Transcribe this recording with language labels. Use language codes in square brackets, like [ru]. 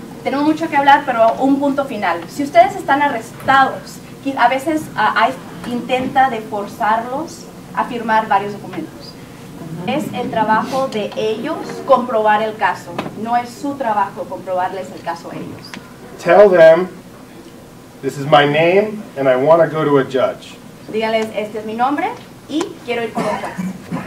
[es] Tenemos mucho que hablar, pero un punto final. Si ustedes están arrestados, a veces intenta de forzarlos a firmar varios documentos. Es el trabajo de ellos comprobar el caso. No es su trabajo comprobarles el caso a ellos. [en] Tell them, this is my name and I want to go to a judge. [es] Dígales, este es mi nombre y quiero ir con un juez.